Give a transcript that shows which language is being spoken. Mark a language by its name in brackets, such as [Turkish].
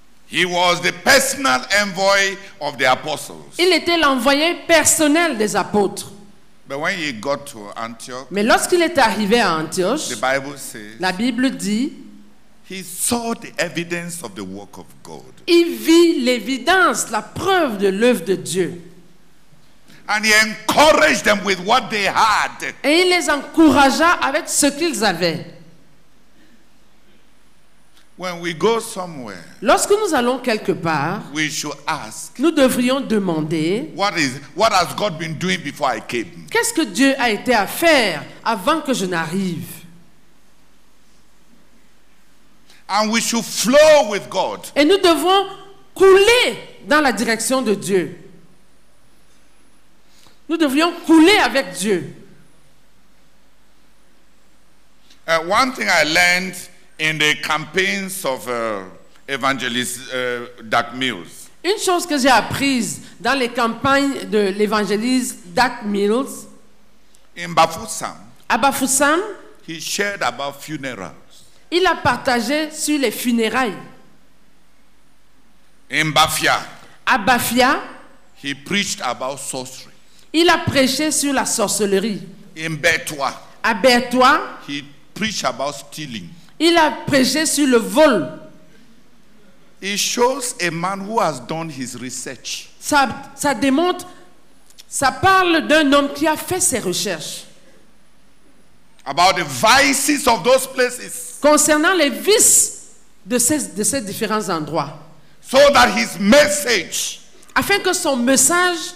[English] He was the personal envoy of the apostles. [French] Il était l'envoyé personnel des apôtres. [English] But when he got to Antioch, [French] mais lorsqu'il est arrivé à Antioche, [English] the Bible says, [French] la Bible dit, [English] he saw the evidence of the work of God. [French] Il vit l'évidence, la preuve de l'œuvre de Dieu. [English] And he encouraged them with what they had. [French] Et il les encouragea avec ce qu'ils avaient. [English] When we go somewhere, [French] lorsque nous allons quelque part, [English] we should ask, [French] nous devrions demander, [English] what has God been doing before I came? [French] Qu'est-ce que Dieu a été à faire avant que je n'arrive? [English] And we should flow with God. [French] Et nous devons couler dans la direction de Dieu. Nous devrions couler avec Dieu. [English] One thing I learned in the campaigns of evangelist Dak Mills. [French] Une chose que j'ai apprise dans les campagnes de l'évangéliste Dak Mills. [English] In Bafoussam. [French] À Bafoussam. [English] He shared about funerals. [French] Il a partagé sur les funérailles. [English] In Bafia. [French] À Bafia. [English] He preached about sorcery. [French] Il a prêché sur la sorcellerie. [English] In Bertois. [French] À Bertois. [English] He preached about stealing. [French] Il a prêché sur le vol. [English] It shows a man who has done his research. [French] Ça démontre, ça parle d'un homme qui a fait ses recherches. [English] About the vices of those places. [French] Concernant les vices de ces différents endroits. [English] So that his message, [French] afin que son message